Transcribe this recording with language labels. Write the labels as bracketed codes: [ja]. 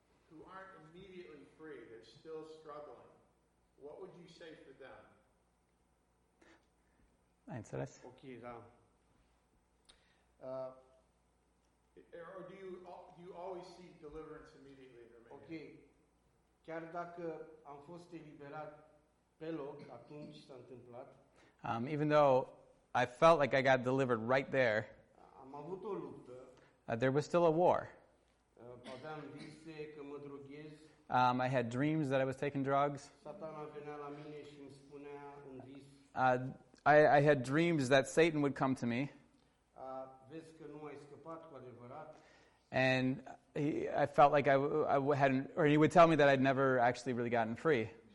[en] who aren't immediately free, they're still struggling, what would you say for them? [ro] Înțeles. Ok, da. [en] Or do you always see deliverance immediately in Romania? Ok. [ro] Chiar dacă am fost eliberat pe loc, atunci s-a întâmplat. [en] Even though I felt like I got delivered right there, [ro] am avut o luptă. [en] There was still a war. [ro] Aveam vise că mă droghez. [en] I had dreams that I was taking drugs. [ro] Satana venea la mine și îmi spunea în vis. [en] I had dreams that Satan would come to me. [ro] Vezi că nu ai scăpat cu adevărat. [en] And he would tell me that I'd never actually really gotten free.